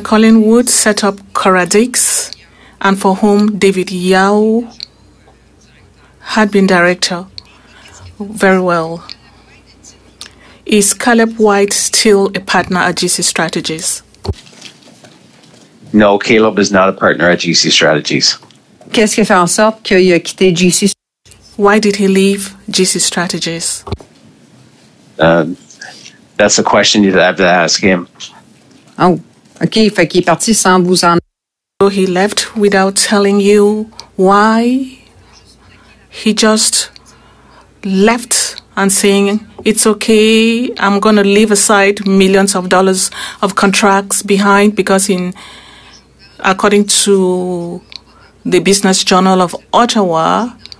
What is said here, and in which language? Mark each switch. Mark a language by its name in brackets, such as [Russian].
[English] Collingwood set up Coradix, and for whom David Yao had been director very well. Is Caleb White still a partner at GCstrategies? No, Caleb is not a partner at GCstrategies. [French] Qu'est-ce qui fait en sorte qu'il a quitté GC? [English] Why did he leave GCstrategies? That's a question you'd have to ask him. Oh, okay. [French] Fait qu'il est parti sans vous en... [English] So he left without telling you why. He just left and saying, it's okay, I'm going to leave aside millions of dollars of contracts behind because in, according to the Business Journal of Ottawa,